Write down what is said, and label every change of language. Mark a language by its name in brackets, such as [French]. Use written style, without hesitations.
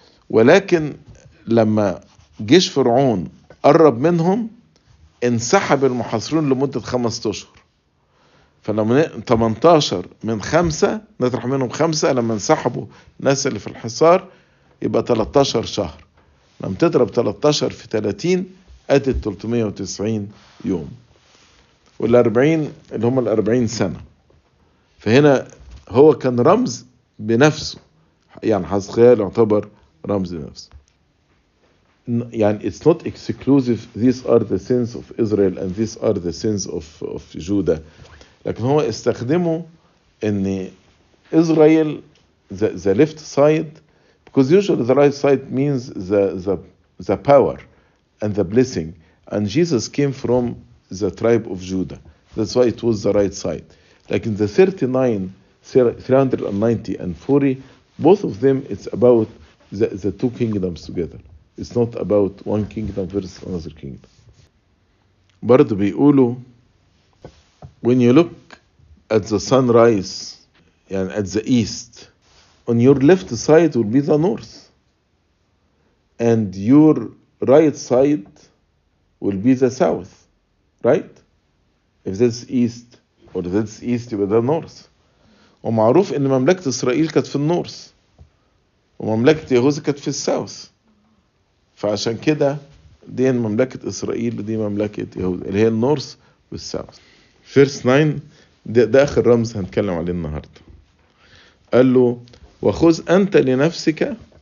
[Arabic] ولكن لما جيش فرعون قرب منهم انسحب المحاصرون لمدة 5 أشهر، فلما 18 من 5 نطرح منهم 5 لما انسحبوا الناس اللي في الحصار يبقى 13 شهر، لما تضرب 13 في 30 أدي 390 يوم والأربعين اللي هم الأربعين سنة. فهنا هو كان رمز بنفسه، يعني حزقيال يعتبر رمز بنفسه. [English] يعني it's not exclusive these are the sins of Israel and these are the sins of Judah، [Arabic] لكن هو استخدمه ان [English] Israel the left side because usually the right side means the power and the blessing and Jesus came from the tribe of Judah that's why it was the right side. لكن the 39, 390 and 40 both of them it's about the two kingdoms together. It's not about one kingdom versus another kingdom. [Arabic] برضو بيقولوا [English] when you look at the sunrise يعني at the east on your left side will be the north and your right side will be the south, right? If that's east or that's east you'll be the north. [Arabic] ومعروف ان مملكة اسرائيل كانت في النورث ومملكة يهوذا كانت في الساوث، فعشان كده دي مملكة اسرائيل ودي مملكة يهوذا اللي هي النورث والساوث. فيرس 9 ده اخر رمز هنتكلم عليه النهاردة. قال له وخذ انت لنفسك